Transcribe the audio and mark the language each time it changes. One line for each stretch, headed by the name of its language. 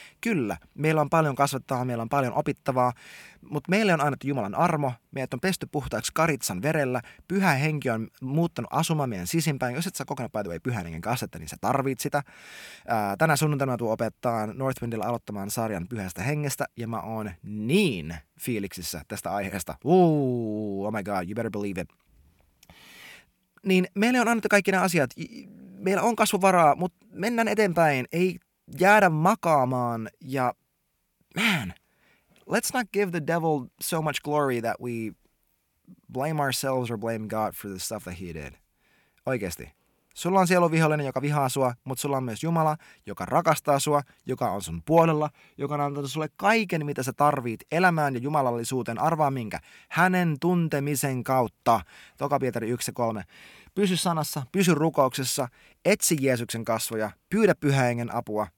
Finnish: Kyllä, meillä on paljon kasvattavaa, meillä on paljon opittavaa, mutta meille on annettu Jumalan armo. Meidät on pesty puhtaaksi karitsan verellä. Pyhä henki on muuttanut asumaan meidän sisimpään. Jos et sä kokonaan päätyä ei pyhän hengen kasvetta, niin sä tarvit sitä. Tänä sunnuntaina mä tuun opettamaan Northwindilla aloittamaan sarjan pyhästä hengestä. Ja mä oon niin fiiliksissä tästä aiheesta.
English: Ooh, oh my god, you better believe it.
Finnish: Niin meille on annettu kaikki nämä asiat. Meillä on kasvuvaraa, mutta mennään eteenpäin. Ei jäädä makaamaan ja man.
English: Let's not give the devil so much glory that we blame ourselves or blame God for the stuff that he did.
Finnish: Oikeesti. Sulla on sielun vihollinen, joka vihaa sua, mutta sulla on myös Jumala, joka rakastaa sua, joka on sun puolella, joka on antanut sulle kaiken, mitä sä tarvit elämään ja jumalallisuuteen. Arvaa minkä? Hänen tuntemisen kautta. Toka Pietari 1:3. Pysy sanassa, pysy rukouksessa, etsi Jeesuksen kasvoja, pyydä pyhän hengen apua.